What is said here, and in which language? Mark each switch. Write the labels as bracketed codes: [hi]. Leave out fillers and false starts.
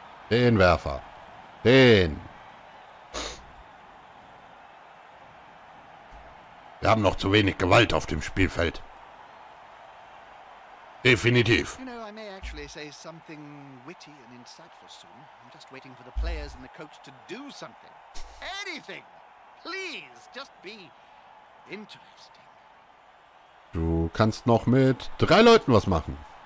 [de] Den Werfer. Den. Wir haben noch zu wenig Gewalt auf dem Spielfeld. Definitiv. [en] You know, I may actually say something witty and insightful soon. I'm just waiting for the players and the coach to do something. Anything. Please, just be interesting. [de] Du kannst noch mit drei Leuten was machen.